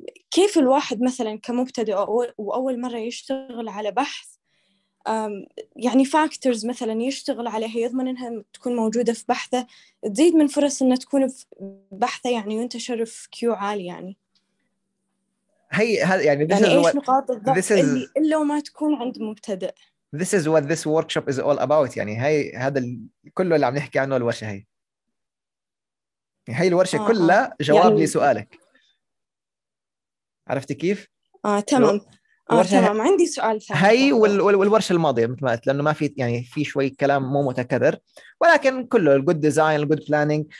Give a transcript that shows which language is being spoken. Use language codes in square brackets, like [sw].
[ar] كيف الواحد مثلا كمبتدئ وأول مرة يشتغل على بحث، يعني فاكتورز مثلا يشتغل عليها يضمن أنها تكون موجودة في بحثه تزيد من فرص أنها تكون في بحثه يعني ينتشر في كيو عالي؟ يعني هي يعني إيش نقاط الضعف اللي إلا وما تكون عند مبتدئ؟ [en] This is what this workshop is all about. [ar] يعني هاي هذا كله اللي عم نحكي عنه الورشة هاي. هاي الورشة كلها جواب يعني لسؤالك. عرفت كيف؟ تمام. تمام. عندي سؤال ثاني. هاي والورشة الماضية مثل ما قلت، لأنه ما في يعني في شوي كلام مو متكرر، ولكن كله [en] good design good planning.